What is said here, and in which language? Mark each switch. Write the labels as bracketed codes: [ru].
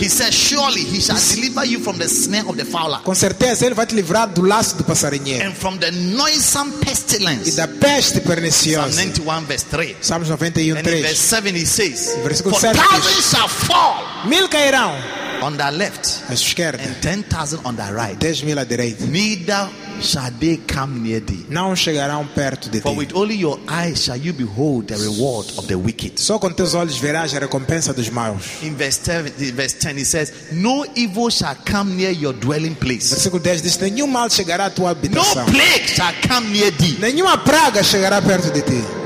[en] He says, surely he shall deliver you from the snare of the fowler. [pt] Com certeza ele vai te livrar do laço do passarinheiro. [en] And from the noisome pestilence. [pt] E da peste perniciosa. [en] Psalm 91 verse 3. [pt] Salmos 91, [en] and 3. In verse 7 he says, [pt] versículo [en] for 7, thousands shall fall. [pt] Mil cairão. [en] On the left, [pt] à esquerda, [en] and 10,000 on the right. [pt] 10,000 à direita. [en] Neither shall they come near thee. [pt] Não chegarão perto de ti. [en] For with only your eyes shall you behold the reward of the wicked. [pt] Só com teus olhos verás a recompensa dos maus. [en] In verse 10, he says, no evil shall come near your dwelling place. [pt] Versículo 10 diz: nenhum mal chegará à tua habitação. [en] No plague shall come near thee. [pt] Nenhuma praga chegará perto de ti.